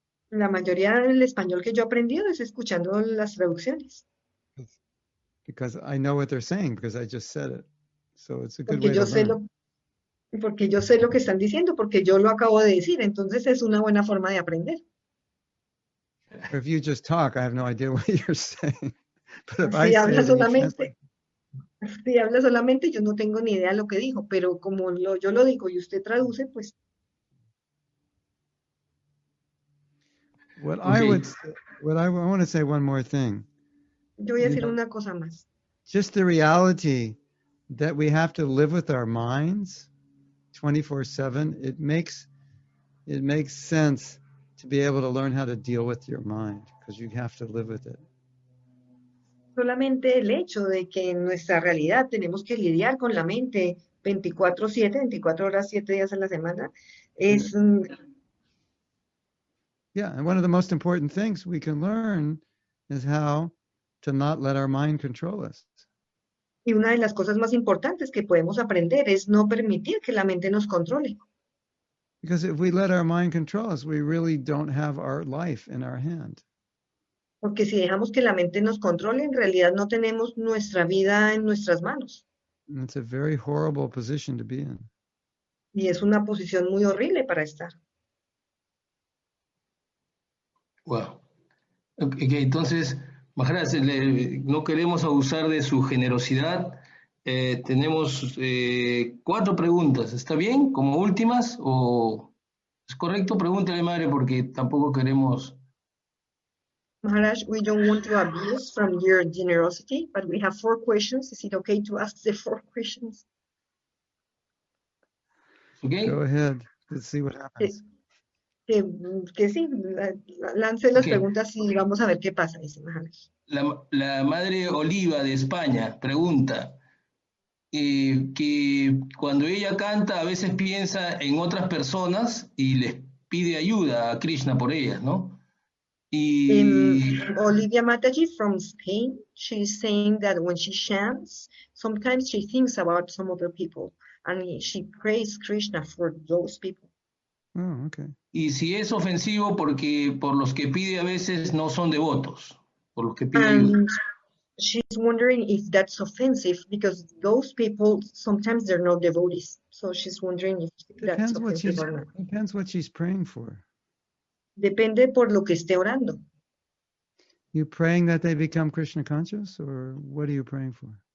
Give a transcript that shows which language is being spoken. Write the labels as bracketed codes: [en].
[es] La mayoría del español que yo he aprendido es escuchando las traducciones. [en] Because I know what they're saying because I just said it. So it's a good [es] porque [en] way [es] yo [en] to [es] sé [en] learn. [es] Porque yo sé lo que están diciendo, porque yo lo acabo de decir. Entonces es una buena forma de aprender. [en] If you just talk, I have no idea what you're saying. But if [es] si habla solamente. Si habla solamente, yo no tengo ni idea lo que dijo, pero como yo lo digo y usted traduce, pues. [en] Well, okay. I want to say one more thing. [es] Yo voy a decir una cosa más. [en] Just the reality that we have to live with our minds 24/7, it makes sense to be able to learn how to deal with your mind because you have to live with it. [es] Solamente el hecho de que en nuestra realidad tenemos que lidiar con la mente 24/7, 24 horas, 7 días a la semana, es... [en] Yeah, and one of the most important things we can learn is how to not let our mind control us. [es] Y una de las cosas más importantes que podemos aprender es no permitir que la mente nos controle. [en] Because if we let our mind control us, we really don't have our life in our hand. [es] Porque si dejamos que la mente nos controle, en realidad no tenemos nuestra vida en nuestras manos. [en] It's a very horrible position to be in. [es] Y es una posición muy horrible para estar. Wow. Okay, entonces, Maharaj, no queremos abusar de su generosidad. Tenemos 4 preguntas. ¿Está bien? ¿Como últimas? ¿O es correcto? Pregúntale, madre, porque tampoco queremos... [en] Maharaj, we don't want to abuse from your generosity, but we have 4 questions. Is it okay to ask the 4 questions? Okay. Go ahead. Let's see what happens. [es] Que sí, lance las preguntas y vamos a ver qué pasa, dice Maharaj. La madre Oliva de España pregunta que cuando ella canta a veces piensa en otras personas y les pide ayuda a Krishna por ellas, ¿no? [en] Olivia Mataji from Spain, she's saying that when she chants, sometimes she thinks about some other people and she prays Krishna for those people. Oh, okay. [es] Y si es ofensivo porque por los que pide a veces no son devotos, por los que pide ayuda. [en] She's wondering if that's offensive because those people sometimes they're not devotees. So she's wondering if that's offensive or not. Depends what she's praying for. [es] Depende por lo que esté orando. [en] You praying that they become Krishna conscious, or what are you praying for?